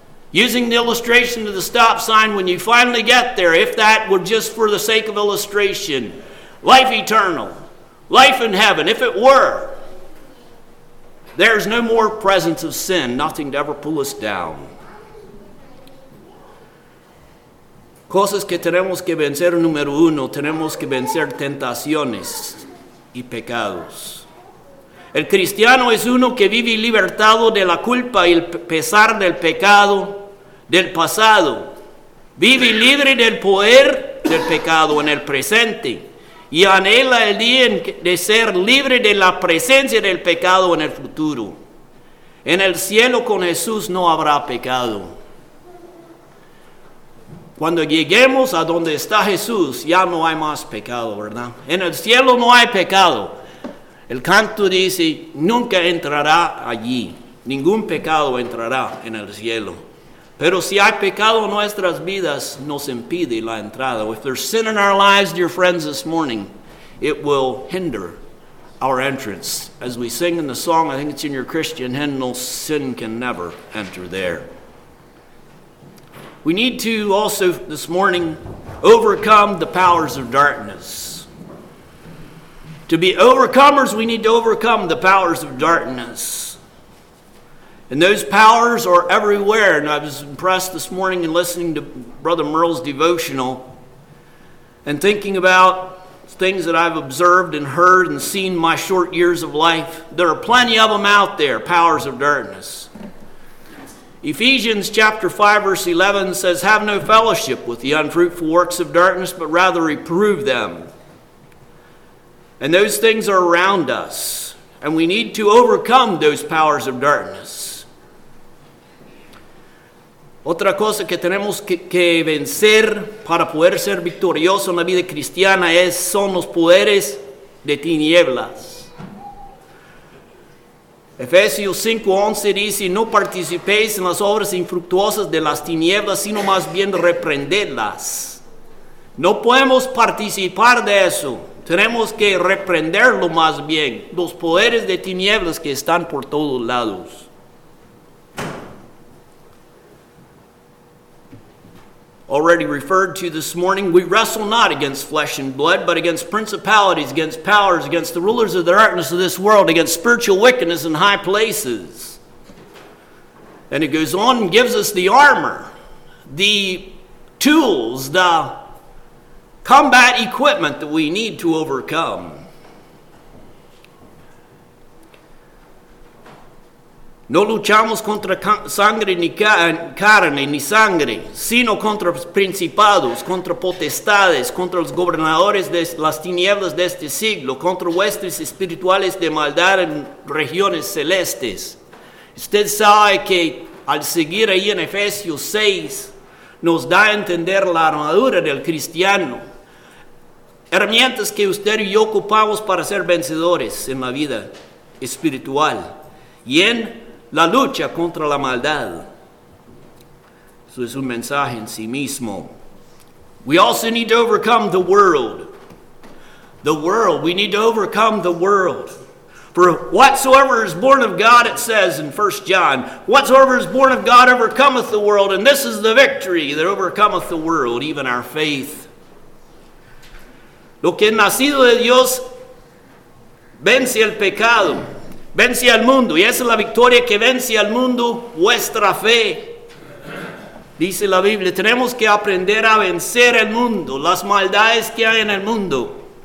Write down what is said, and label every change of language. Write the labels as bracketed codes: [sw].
[en] Using the illustration of the stop sign, when you finally get there, if that were just for the sake of illustration, life eternal, life in heaven, if it were, there's no more presence of sin, nothing to ever pull us down. [es] Cosas que tenemos que vencer, número uno, tenemos que vencer tentaciones y pecados. El cristiano es uno que vive libertado de la culpa y el pesar del pecado del pasado. Vive libre del poder del pecado en el presente. Y anhela el día de ser libre de la presencia del pecado en el futuro. En el cielo con Jesús no habrá pecado. Cuando lleguemos a donde está Jesús, ya no hay más pecado, ¿verdad? En el cielo no hay pecado. El canto dice, nunca entrará allí. Ningún pecado entrará en el cielo. Pero si hay pecado en nuestras vidas, nos impide la entrada. [en] If there's sin in our lives, dear friends, this morning, it will hinder our entrance. As we sing in the song, I think it's in your Christian hymnal, sin can never enter there. We need to also, this morning, overcome the powers of darkness. To be overcomers, we need to overcome the powers of darkness. And those powers are everywhere. And I was impressed this morning in listening to Brother Merle's devotional and thinking about things that I've observed and heard and seen in my short years of life. There are plenty of them out there, powers of darkness. Ephesians chapter 5, verse 11 says, "Have no fellowship with the unfruitful works of darkness, but rather reprove them." And those things are around us. And we need to overcome those powers of darkness. [es] Otra cosa que tenemos que vencer para poder ser victorioso en la vida cristiana es son los poderes de tinieblas. Efesios 5:11 dice, "No participéis en las obras infructuosas de las tinieblas, sino más bien reprendedlas." No podemos participar de eso. Tenemos que reprenderlo más bien, los poderes de tinieblas que están por todos lados. Already referred to this morning, we wrestle not against flesh and blood, but against principalities, against powers, against the rulers of the darkness of this world, against spiritual wickedness in high places. And it goes on and gives us the armor, the tools, the combat equipment that we need to overcome. No luchamos contra sangre ni carne ni sangre, sino contra principados, contra potestades, contra los gobernadores de las tinieblas de este siglo, contra huestes espirituales de maldad en regiones celestes. Usted sabe que al seguir ahí en Efesios 6, nos da a entender la armadura del cristiano. Herramientas que usted y yo ocupamos para ser vencedores en la vida espiritual y en la lucha contra la maldad. Eso es un mensaje en sí mismo. [en] We also need to overcome the world. The world. We need to overcome the world. For whatsoever is born of God, it says in 1 John, whatsoever is born of God overcometh the world, and this is the victory that overcometh the world, even our faith. [es] Lo que es nacido de Dios vence el pecado, vence al mundo. Y esa es la victoria que vence al mundo, vuestra fe. Dice la Biblia, tenemos que aprender a vencer el mundo, las maldades que hay en el mundo.